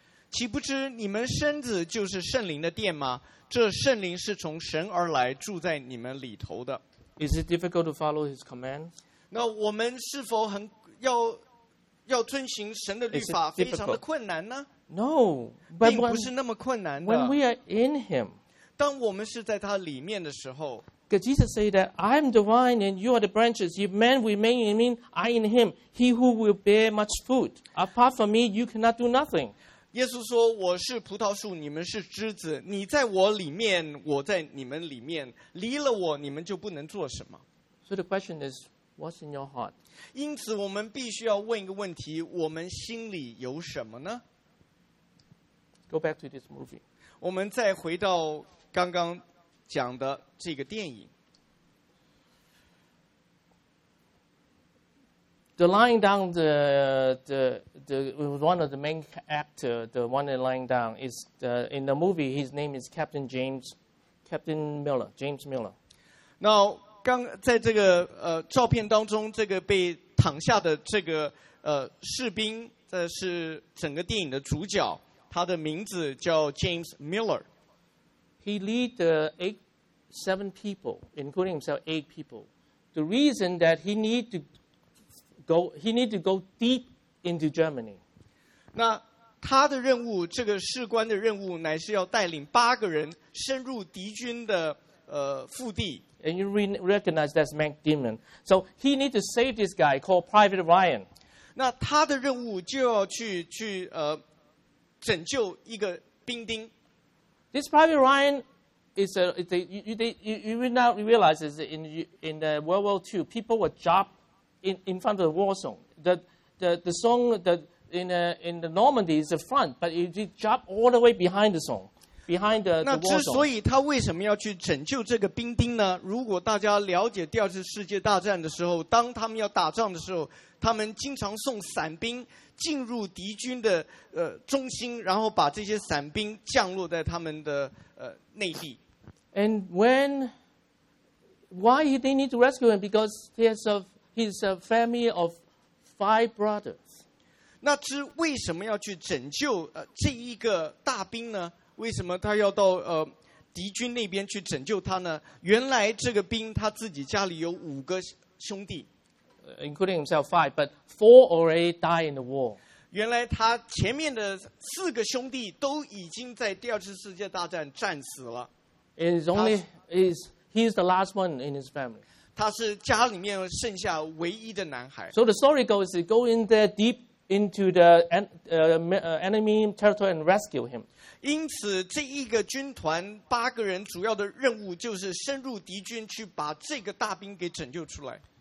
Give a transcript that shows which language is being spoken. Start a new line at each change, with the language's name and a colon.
Chinese: 岂不知你们身子就是圣灵的殿吗？这圣灵是从神而来，住在你们里头的。
English: Is it difficult to follow His command?
Chinese: 那我们是否很要遵循神的律法，非常的困难呢？
English: No,
Chinese: but 并不是那么困难的。
English: When we are in Him,
Chinese: 当我们是在他里面的时候，
English: because Jesus said that I am the vine and you are the branches. If man remain in me, I in him, he who will bear much fruit. Apart from me, you cannot do nothing.
Chinese: 耶稣说：“我是葡萄树，你们是枝子。你在我里面，我在你们里面。离了我，你们就不能做什么。”
English: So the question is, what's in your heart?
Chinese: 因此，我们必须要问一个问题：我们心里有什么呢？
English: Go back to this movie.
Chinese: 我们再回到刚刚讲的这个电影。
English: The lying down, the one of the main actor, the one that lying down is the, in the movie. His name is Captain James Miller.
Chinese: 那刚在这个照片当中，这个被躺下的这个士兵，这是整个电影的主角。他的名字叫 James Miller.
English: He lead seven people, including himself, eight people. The reason that he need to go deep into Germany.
Chinese: 那他的任务，这个士官的任务，乃是要带领八个人深入敌军的腹地。
English: And you recognize that's Matt Damon. So he need to save this guy called Private Ryan.
Chinese: 那他的任务就要去拯救一个兵丁。
English: This Private Ryan is you will not realize is in the World War II, people were dropped in front of the war zone. The zone that in the Normandy is the front, but it dropped all the way behind the zone, behind the war zone.
Chinese: 那之所以他为什么要去拯救这个兵丁呢？如果大家了解第二次世界大战的时候，当他们要打仗的时候，他们经常送散兵进入敌军的中心，然后把这些散兵降落在他们的内地。
English: And when, why they need to rescue him? Because he has a family of five brothers.
Chinese: 那之为什么要去拯救这一个大兵呢？为什么他要到敌军那边去拯救他呢？原来这个兵他自己家里有五个兄弟。
English: Including himself, five, but four already died in the war.
Chinese: 原来他前面的四个兄弟都已经在第二次世界大战战死了。
English: It's only he's the last one in his family.
Chinese: 他是家里面剩下唯一的男孩。
English: So the story goes, go in there deep into the enemy territory and rescue him.
Chinese: 因此，这一个军团八个人主要的任务就是深入敌军去把这个大兵给拯救出来。